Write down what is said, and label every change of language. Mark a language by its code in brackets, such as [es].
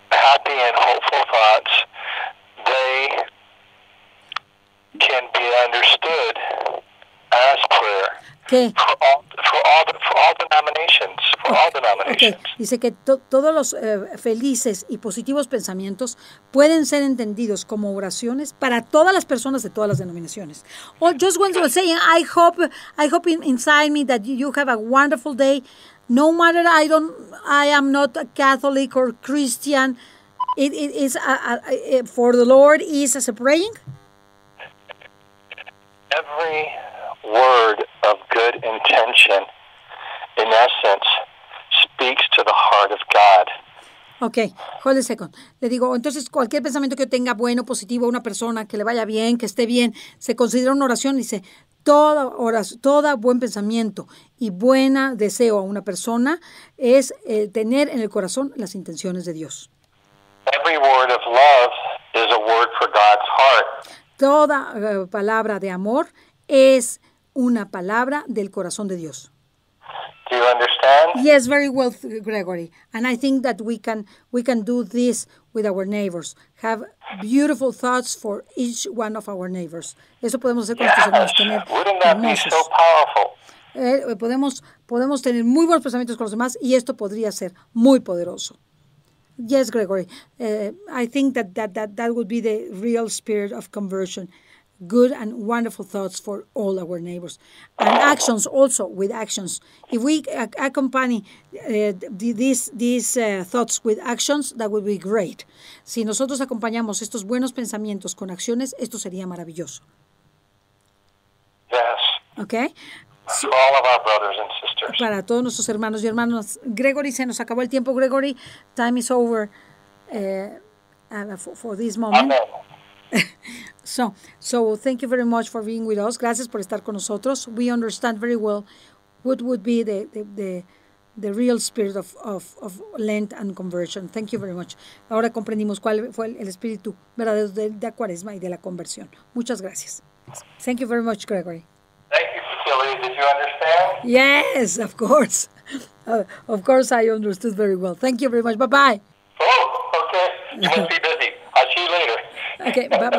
[en] Happy and hopeful thoughts, they can be understood as prayer. Okay. For all denominations. [es] Dice que todos los felices y positivos pensamientos pueden ser entendidos como oraciones para todas las personas de todas las denominaciones. [en] Or just when you're saying, I hope inside me that you have a wonderful day, no matter I am not a Catholic or Christian, it is for the Lord is as a praying. Every word of good intention, in essence, speaks to the heart of God. Okay, hold a second. [es] Le digo, entonces cualquier pensamiento que tenga bueno, positivo, una persona que le vaya bien, que esté bien, se considera una oración. Dice, toda buen pensamiento y buen deseo a una persona es tener en el corazón las intenciones de Dios. [en] Every word of love is a word for God's heart. [es] Toda palabra de amor es una palabra del corazón de Dios. [en] Do you understand? Yes, very well, Gregory. And I think that we can do this with our neighbors. Have beautiful thoughts for each one of our neighbors. [es] Eso podemos hacer con nuestros hermanos. [en] Wouldn't that be so powerful? [es] Podemos tener muy buenos pensamientos con los demás, y esto podría ser muy poderoso. [en] Yes, Gregory. I think that would be the real spirit of conversion. Good and wonderful thoughts for all our neighbors. And actions also, with actions. If we accompany these thoughts with actions, that would be great. [es] Si nosotros acompañamos estos buenos pensamientos con acciones, esto sería maravilloso. [en] Yes. Okay. For all of our brothers and sisters. [es] Para todos nuestros hermanos y hermanas. Gregory, se nos acabó el tiempo. Gregory, [en] time is over for this moment. Amen. So thank you very much for being with us. [es] Gracias por estar con nosotros. [en] We understand very well what would be the real spirit of Lent and conversion. Thank you very much. [es] Ahora comprendimos cuál fue el espíritu verdadero de Cuaresma y de la conversión. Muchas gracias. [en] Thank you very much, Gregory. Did you understand? Yes, of course. Of course I understood very well. Thank you very much. Bye-bye. Oh, okay. You must be busy. I'll see you later.